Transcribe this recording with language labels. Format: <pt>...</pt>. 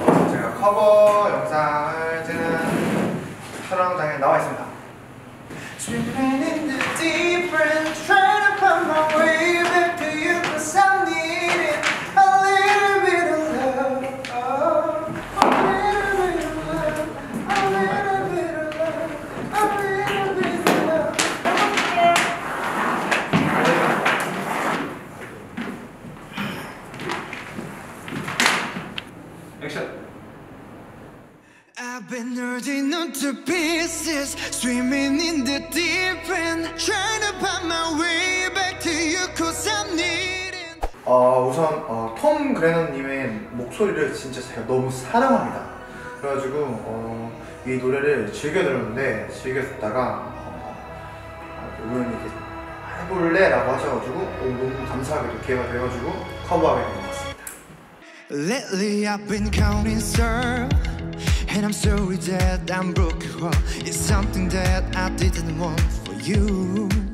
<ko>제가 커버 영상을 찍는 촬영장에 나와 있습니다.</ko> <en>Swimming in the deep end, trying to find my way back to you, cause I'm needing a little bit of love. Oh, a little bit of love. A little bit of love. A little bit of love.</en> <ko>눌린 눈두</ko> <en>pieces, swimming in the deep end, trying to find my way back to you, cause I'm needing.</en> <ko>우선 톰 그레넌님의 목소리를 진짜 제가 너무 사랑합니다. 그래가지고 이 노래를 즐겨 들었는데 즐겨 듣다가 우연히 이제 해볼래라고 하셔가지고 너무 감사하게도 기회가 돼가지고 커버하게 된 것 같습니다.</ko> <en>Lately I've been counting stars. And I'm sorry that I'm broke your heart. It's something that I didn't want for you.</en>